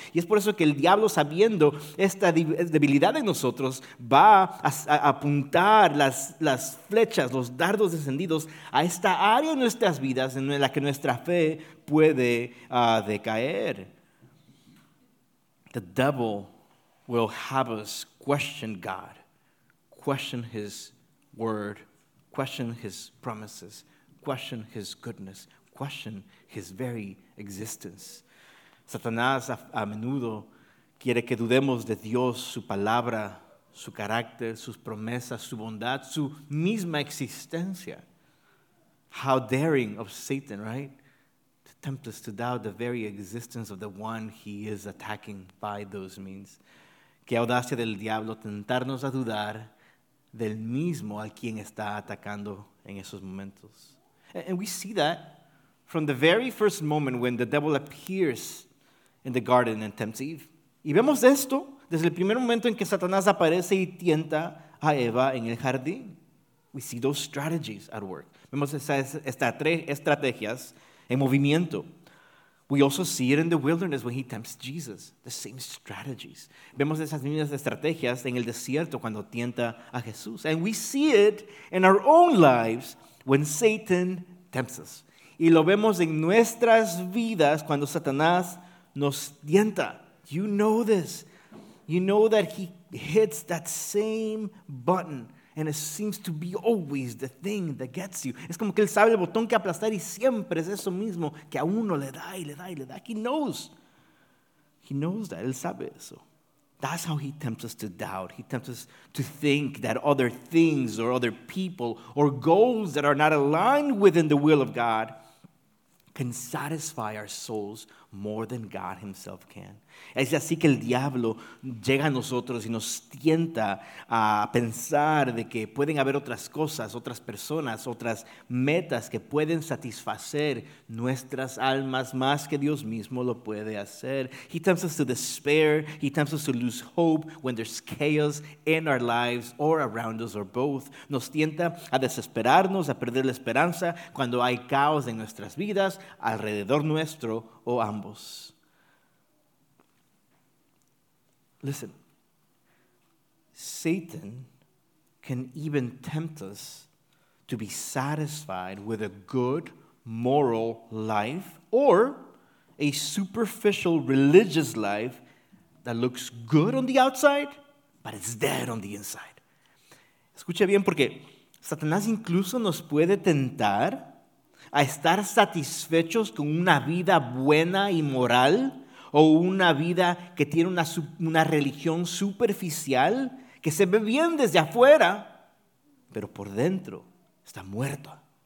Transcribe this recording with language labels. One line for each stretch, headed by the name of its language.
Spanish: Y es por eso que el diablo, sabiendo esta debilidad en nosotros, va a apuntar las flechas, los dardos encendidos a esta área en nuestras vidas en la que nuestra fe puede decaer.
English: The devil will have us question God, question His word, question His promises, question His goodness, question His very existence.
Spanish: Satanás a menudo quiere que dudemos de Dios, su palabra, su carácter, sus promesas, su bondad, su misma existencia.
English: How daring of Satan, right? To tempt us to doubt the very existence of the one he is attacking by those means.
Spanish: Qué audacia del diablo tentarnos a dudar del mismo al quien está atacando en esos momentos.
English: And we see that from the very first moment when the devil appears in the garden and tempts Eve.
Spanish: Y vemos esto desde el primer momento en que Satanás aparece y tienta a Eva en el jardín.
English: We see those strategies at work.
Spanish: Vemos esas estrategias en movimiento.
English: We also see it in the wilderness when he tempts Jesus. The same strategies.
Spanish: Vemos esas mismas estrategias en el desierto cuando tienta a Jesús.
English: And we see it in our own lives when Satan tempts us.
Spanish: Y lo vemos en nuestras vidas cuando Satanás nos tienta.
English: You know this. You know that he hits that same button. And it seems to be always the thing that gets you.
Spanish: Es como que él sabe el botón que aplastar y siempre es eso mismo que a uno le da y le da y le da.
English: He knows. He knows that.
Spanish: Él sabe eso.
English: That's how he tempts us to doubt. He tempts us to think that other things or other people or goals that are not aligned within the will of God can satisfy our souls more than God himself can.
Spanish: Es así que el diablo llega a nosotros y nos tienta a pensar de que pueden haber otras cosas, otras personas, otras metas que pueden satisfacer nuestras almas más que Dios mismo lo puede hacer.
English: He tempts us to despair. He tempts us to lose hope when there's chaos in our lives or around us or both.
Spanish: Nos tienta a desesperarnos, a perder la esperanza cuando hay caos en nuestras vidas, alrededor nuestro o ambos.
English: Listen, Satan can even tempt us to be satisfied with a good moral life or a superficial religious life that looks good on the outside, but it's dead on the inside.
Spanish: Escucha bien, porque Satanás incluso nos puede tentar a estar satisfechos con una vida buena y moral, o una vida que tiene una religión superficial que se ve bien desde afuera, pero por dentro está muerto.